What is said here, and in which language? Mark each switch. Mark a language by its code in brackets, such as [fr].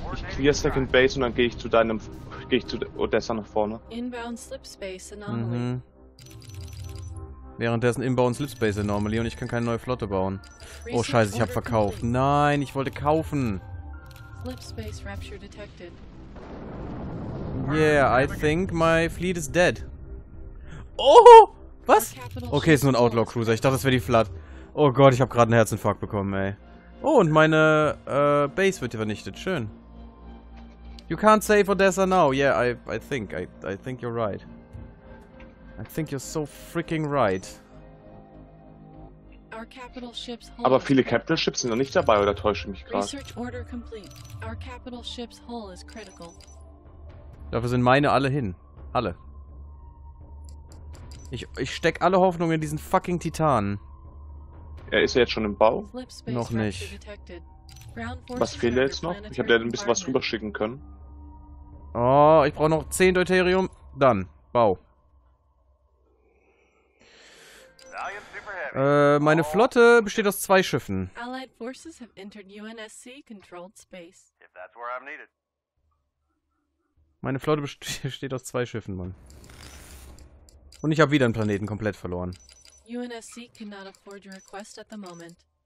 [de] Clear Second Base und dann gehe ich zu Odessa nach vorne. [en] Inbound Slipspace Anomaly. Mhm. [de] Währenddessen Inbound Slipspace Anomaly und ich kann keine neue Flotte bauen. Oh scheiße, ich habe verkauft. Nein, ich wollte kaufen. [en] Blip space rupture detected. Yeah, I think my fleet is dead. [de] Oh! Was? Okay, es ist nur ein Outlaw Cruiser. Ich dachte, das wäre die Flood. Oh Gott, ich habe gerade einen Herzinfarkt bekommen, ey. Oh, und meine Base wird hier vernichtet. Schön. [en] You can't save Odessa now. Yeah, I think you're right. I think you're so freaking right. Our capital ships hull. [de] Aber viele Capital Ships sind noch nicht dabei, oder täusche mich gerade? [en] Research order complete. Our capital ship's hull is critical. [de] Dafür sind meine alle hin. Alle. Ich steck alle Hoffnung in diesen fucking Titanen. Er ist ja jetzt schon im Bau? Noch nicht. Was fehlt jetzt noch? Ich hab dir ein bisschen was rüberschicken können. Oh, ich brauche noch 10 Deuterium. Dann. Bau. Meine Flotte besteht aus 2 Schiffen. [en] Allied Forces have entered UNSC controlled space. If that's where I'm needed. [de] Meine Flotte besteht aus 2 Schiffen, Mann. Und ich habe wieder einen Planeten komplett verloren. [en] UNSC cannot afford your request at the moment.